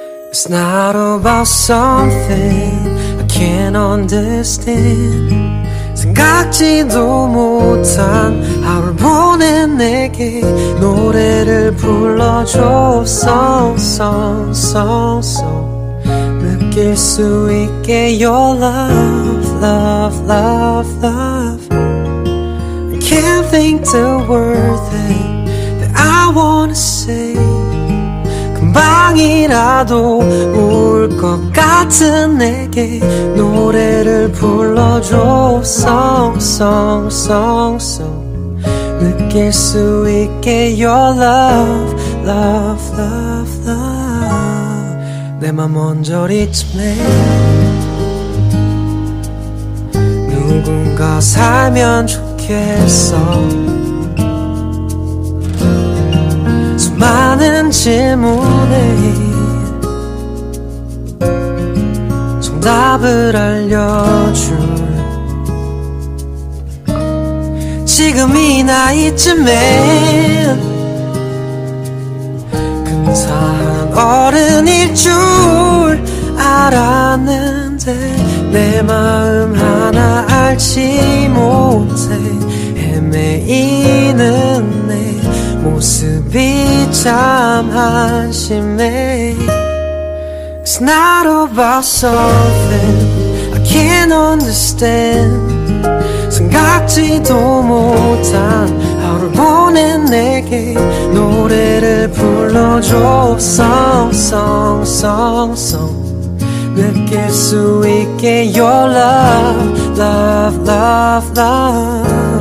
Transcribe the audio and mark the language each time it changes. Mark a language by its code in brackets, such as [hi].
[en] It's not about something I can't understand. [ko] 생각지도 못한 하루를 보낸 내게 노래를 불러줘. [en] Song, song, song, song. [ko] 느낄 수 있게 [en] your love, love, love, love. I can't think the word that I wanna say. [ko] 금방이라도 울 것 같은 내게 노래를 불러줘. [en] Song, song, song, song. [ko] 느낄 수 있게 [en] your love, love, love, love. [ko] 내 맘 언저리쯤에 누군가 살면 좋겠어. 많은 질문에 정답을 알려줄 지금 이 나이쯤에 근사한 어른일 줄 알았는데 내 마음 하나 알지 못해 헤매이는 모습이 참 한심해. [en] It's not about something I can't understand. [ko] 생각지도 못한 하루를 보낸 내게 노래를 불러줘. [en] Song, song, song, song. [ko] 느낄 수 있게 [en] your love, love, love, love.